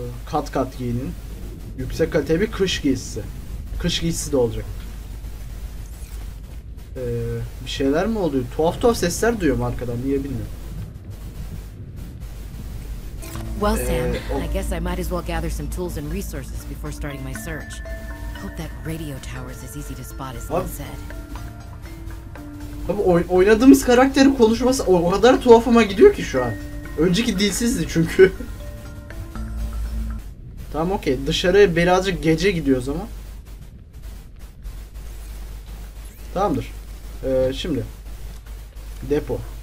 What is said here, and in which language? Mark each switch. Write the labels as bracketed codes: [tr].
[tr] Kat kat giyinin. Yüksek kalite bir kış giysisi. Kış giysisi de olacak. Bir şeyler mi oluyor? Tuhaf tuhaf sesler duyuyorum arkadan. Niye bilmiyorum. [en] Well, Sam, I guess I might as well gather some tools and resources before starting my search. Hope that radio tower is as easy to spot as Lin said. [tr] Abi oynadığımız karakterin konuşması o kadar tuhafıma gidiyor ki şu an. Önceki dilsizdi çünkü. Tamam, okey. Dışarıya birazcık gece gidiyoruz ama. Tamamdır. Şimdi. Depo.